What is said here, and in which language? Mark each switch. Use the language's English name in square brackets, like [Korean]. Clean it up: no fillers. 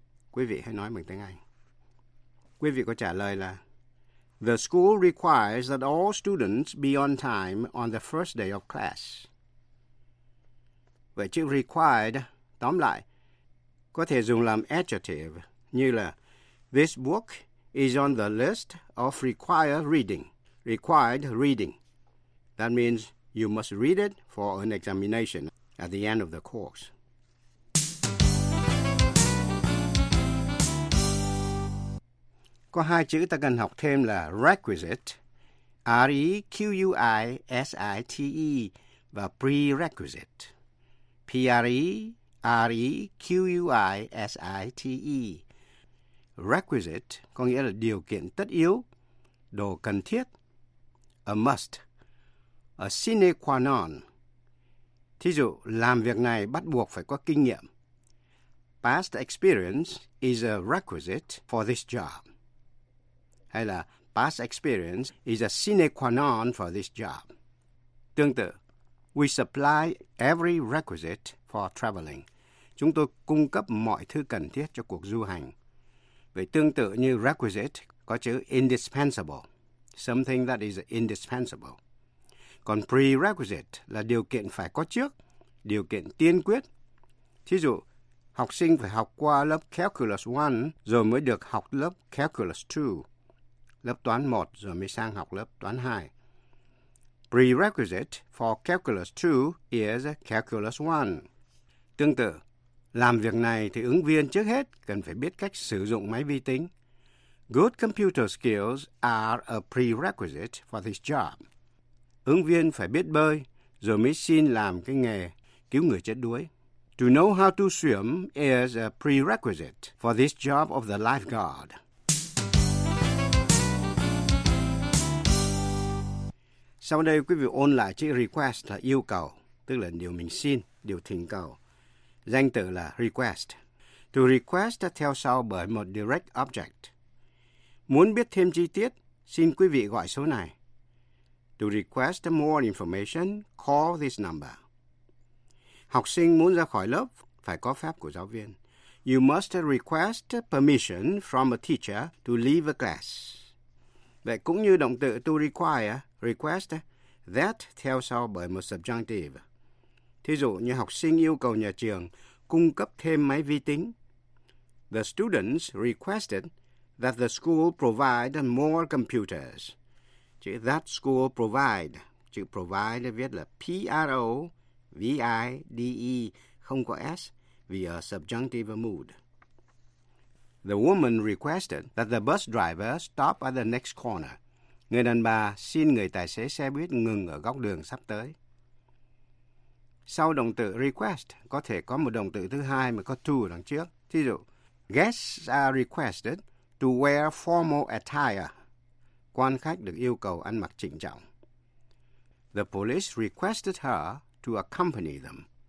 [Vietnamese] Quý vị hãy nói bằng tiếng Anh. Quý vị có trả lời là, [English] the school requires that all students be on time on the first day of class. [Vietnamese] Vậy chữ required, tóm lại, có thể dùng làm adjective, như là, [English] this book is on the list of required reading. Required reading. That means you must read it for an examination at the end of the course. [Vietnamese] Có hai chữ ta cần học thêm là requisite, requisite, và prerequisite, prerequisite. Requisite có nghĩa là điều kiện tất yếu, đồ cần thiết, [English] a must, [Vietnamese] a sine qua non. Thí dụ, làm việc này bắt buộc phải có kinh nghiệm. [English] Past experience is a requisite for this job. Hay là past experience is a sine qua non for this job. [Vietnamese] Tương tự, [English] we supply every requisite for traveling. [Vietnamese] Chúng tôi cung cấp mọi thứ cần thiết cho cuộc du hành. Vậy tương tự như requisite có chữ indispensable, [English] something that is indispensable. [Vietnamese] Còn prerequisite là điều kiện phải có trước, điều kiện tiên quyết. Thí dụ, học sinh phải học qua lớp Calculus 1 rồi mới được học lớp Calculus 2, lớp toán 1 rồi mới sang học lớp toán 2. [English] Prerequisite for Calculus 2 is Calculus 1. [Vietnamese] Tương tự, làm việc này thì ứng viên trước hết cần phải biết cách sử dụng máy vi tính. [English] Good computer skills are a prerequisite for this job. [Vietnamese] Ứng viên phải biết bơi, rồi mới xin làm cái nghề cứu người chết đuối. [English] To know how to swim is a prerequisite for this job of the lifeguard. [Vietnamese] Sau đây, quý vị ôn lại chữ request là yêu cầu, tức là điều mình xin, điều thỉnh cầu. Danh từ là request. To request theo sau bởi một direct object. Muốn biết thêm chi tiết, xin quý vị gọi số này. [English] To request more information, call this number. [Vietnamese] Học sinh muốn ra khỏi lớp, phải có phép của giáo viên. [English] You must request permission from a teacher to leave a class. [Vietnamese] Vậy cũng như động từ to require, request, that theo sau bởi một subjunctive. Thí dụ như học sinh yêu cầu nhà trường cung cấp thêm máy vi tính. [English] The students requested that the school provide more computers. [Vietnamese] Chữ [English] that school provide, [Vietnamese] chữ provide viết là P-R-O-V-I-D-E, không có S, vì ở subjunctive mood. [English] The woman requested that the bus driver stop at the next corner. [Vietnamese] Người đàn bà xin người tài xế xe buýt ngừng ở góc đường sắp tới. Sau động từ request, có thể có một động từ thứ hai mà có to đằng trước. Thí dụ, [English] guests are requested to wear formal attire. [Vietnamese] Quan khách được yêu cầu ăn mặc chỉnh trọng. [English] The police requested her to accompany them.